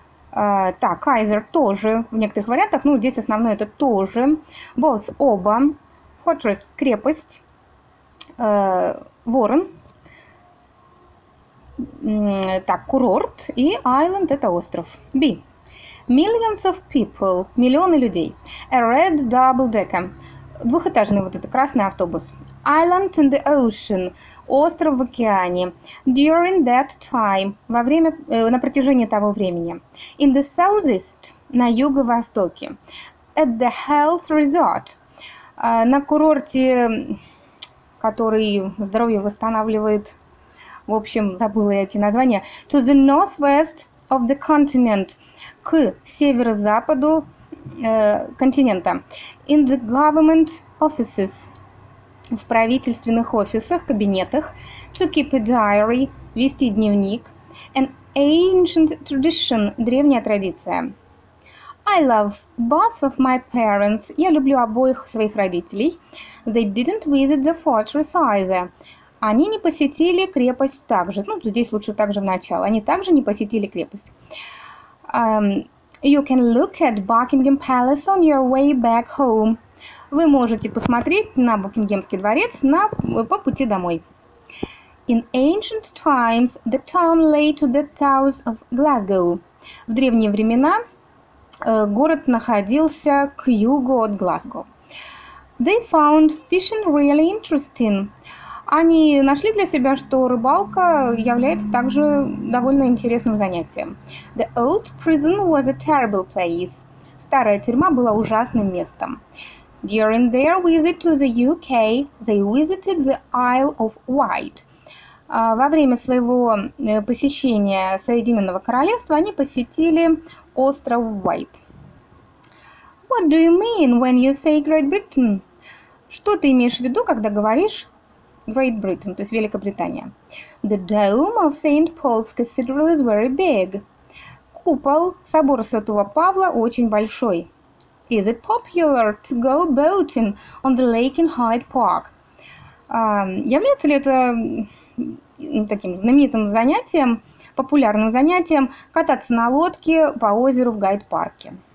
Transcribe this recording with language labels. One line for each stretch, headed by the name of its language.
Russian: Так, Kaiser тоже в некоторых вариантах. Ну, здесь основное это тоже. Both, оба. Fortress, крепость. Ворон. Так, курорт. И Island это остров. B.
English: Millions of people,
Russian: миллионы людей.
English: A red double-decker,
Russian: двухэтажный вот этот красный автобус.
English: Island in the ocean,
Russian: остров в океане.
English: During that time,
Russian: во время, на протяжении того времени.
English: In the southeast,
Russian: на юго-востоке.
English: At the health resort,
Russian: на курорте, который здоровье восстанавливает. В общем, забыла я эти названия.
English: To the northwest of the continent.
Russian: К северо-западу континента.
English: In the government offices.
Russian: В правительственных офисах, кабинетах.
English: To keep a diary.
Russian: Вести дневник.
English: An ancient tradition.
Russian: Древняя традиция.
English: I love both of my parents.
Russian: Я люблю обоих своих родителей.
English: They didn't visit the fortress either.
Russian: Они не посетили крепость также. Ну, здесь лучше также в начало. Они также не посетили крепость.
English: You can look at Buckingham Palace on your way back home.
Russian: Вы можете посмотреть на Букингемский дворец на, по пути домой.
English: In ancient times, the town lay to the south of Glasgow.
Russian: В древние времена город находился к югу от Глазго.
English: They found fishing really interesting.
Russian: Они нашли для себя, что рыбалка является также довольно интересным занятием.
English: The old prison was a terrible place.
Russian: Старая тюрьма была ужасным местом.
English: During their visit to the UK, they visited the Isle of Wight.
Russian: Во время своего посещения Соединенного Королевства они посетили остров Уайт.
English: What do you mean when you say Great Britain?
Russian: Что ты имеешь в виду, когда говоришь Great Britain, то есть Великобритания.
English: The dome of St. Paul's Cathedral is very big.
Russian: Купол собора Святого Павла очень большой.
English: Is it popular to go boating on the lake in Hyde Park?
Russian: Является ли это таким знаменитым занятием, популярным занятием, кататься на лодке по озеру в Гайд-парке?